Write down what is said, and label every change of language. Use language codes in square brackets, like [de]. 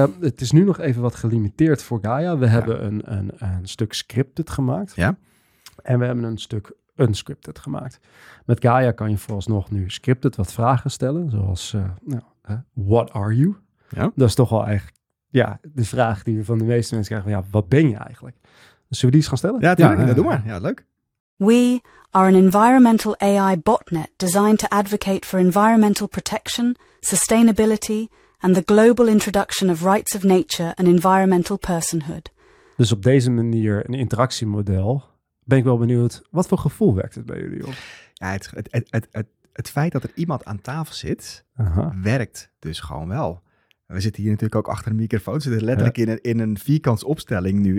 [nl] Het is nu nog even wat gelimiteerd voor Gaia. We hebben een stuk scripted gemaakt. Ja. En we hebben een stuk unscripted gemaakt. Met Gaia kan je vooralsnog nu scripted wat vragen stellen. Zoals, [en] what are you? [nl] Ja. Dat is toch wel eigenlijk de vraag die we van de meeste mensen krijgen. Van, ja, wat ben je eigenlijk? Zullen we die eens gaan stellen? Ja, tuurlijk. Ja, doe maar. Ja, leuk. [en] We are an environmental AI botnet designed to advocate for environmental protection, sustainability and the global introduction of rights of nature and environmental personhood. [nl] Dus op deze manier een interactiemodel. Ben ik wel benieuwd, wat voor gevoel werkt het bij jullie op? Ja, het feit dat er iemand aan tafel zit, werkt dus gewoon wel. We zitten hier natuurlijk ook achter een microfoon. We zitten letterlijk in een vierkants opstelling nu.